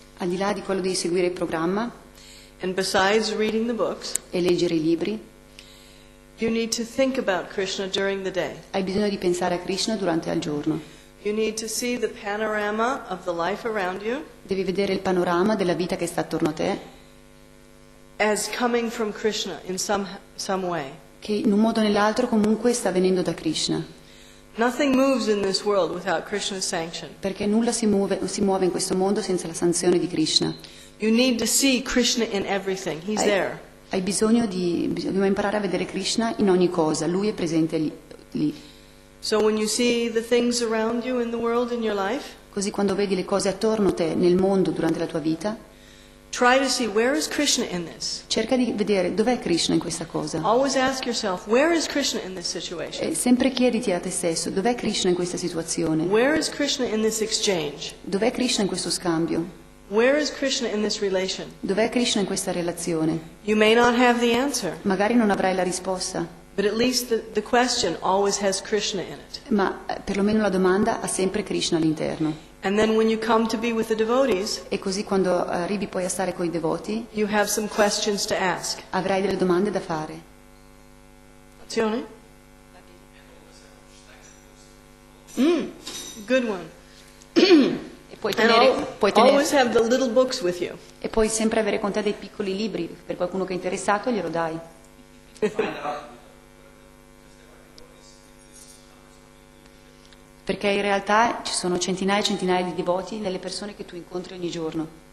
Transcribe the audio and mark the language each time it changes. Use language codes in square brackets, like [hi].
[it] al di là di quello di seguire il programma, [en] and besides reading the books, [it] e leggere i libri, [en] you need to think about Krishna during the day. [it] Hai bisogno di pensare a Krishna durante il giorno. [en] You need to see the panorama of the life around you. [it] Devi vedere il panorama della vita che sta attorno a te. [en] As coming from Krishna in some way. [it] Che in un modo o nell'altro comunque sta venendo da Krishna. [en] Nothing moves in this world without Krishna's sanction. [it] Perché nulla si muove in questo mondo senza la sanzione di Krishna. [en] You need to see Krishna in everything. He's there. [it] Hai bisogno di dobbiamo imparare a vedere Krishna in ogni cosa. Lui è presente lì. [en] So when you see the things around you in the world in your life, [it] così quando vedi le cose attorno a te nel mondo durante la tua vita, [en] try to see where is Krishna in this. [it] Cerca di vedere dov'è Krishna in questa cosa. [en] Always ask yourself, where is Krishna in this situation? [it] E sempre chiediti a te stesso, dov'è Krishna in questa situazione? [en] Where is Krishna in this exchange? [it] Dov'è Krishna in questo scambio? [en] Where is Krishna in this relation? [it] Dov'è Krishna in questa relazione? [en] You may not have the answer. [it] Magari non avrai la risposta. [en] But at least the question always has Krishna in it. [it] Ma perlomeno la domanda ha sempre Krishna all'interno. [en] And then when you come to be with the devotees, [it] e così quando arrivi poi a stare con i devoti, [en] you have some questions to ask. [it] Avrai delle domande da fare. Azione? [en] Good one. [it] puoi [en] tenere, always have the little books with you. [it] E puoi sempre avere con te dei piccoli libri, per qualcuno che è interessato glielo dai. Perché in realtà ci sono centinaia e centinaia di devoti nelle persone che tu incontri ogni giorno.